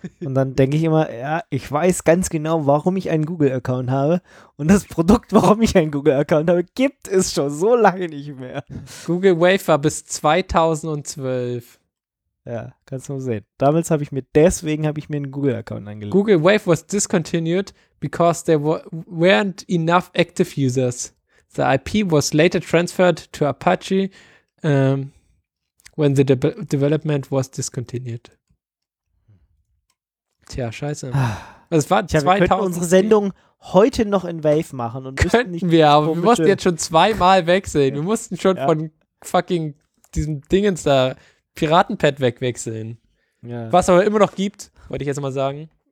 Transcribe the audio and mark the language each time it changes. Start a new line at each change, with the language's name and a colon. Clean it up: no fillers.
German: Und dann denke ich immer, ja, ich weiß ganz genau, warum ich einen Google-Account habe. Und das Produkt, warum ich einen Google-Account habe, gibt es schon so lange nicht mehr. Google Wave war bis 2012. Ja, kannst du mal sehen. Damals habe ich mir, deswegen habe ich mir einen Google-Account angelegt.
English: Google Wave was discontinued because there weren't enough active users. The IP was later transferred to Apache when the development was discontinued.
German: Tja, scheiße. Es war 2000. Wir könnten unsere Sendung heute noch in Wave machen. Und könnten nicht wir, aber wir mussten jetzt schon zweimal wegsehen. Wir mussten schon von fucking diesem Dingens da Piratenpad wegwechseln. Ja. Was aber immer noch gibt, wollte ich jetzt mal sagen.